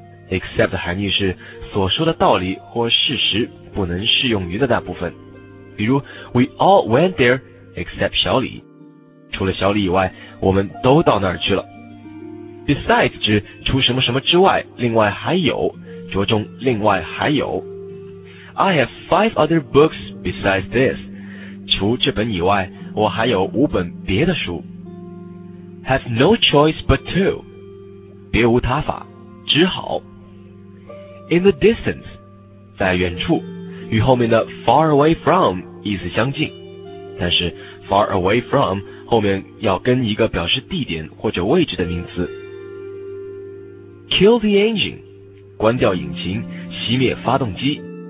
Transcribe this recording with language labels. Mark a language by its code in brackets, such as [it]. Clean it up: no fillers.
[zh] except 的含义是所说的道理或事实不能适用于的那部分，比如 [en] we all went there except [zh] 小李，除了小李以外我们都到那儿去了。 besides 指除什么什么之外，另外还有，着重另外还有。 [en] I have 5 other books besides this， [zh] 除这本以外我还有五本别的书。 [en] Have no choice but to， [zh] 别无他法，只好。 In the distance， 在远处，与后面的 far away from 意思相近，但是 far away from 后面要跟一个表示地点或者位置的名词。 [en] Kill the engine， [zh] 关掉引擎，熄灭发动机。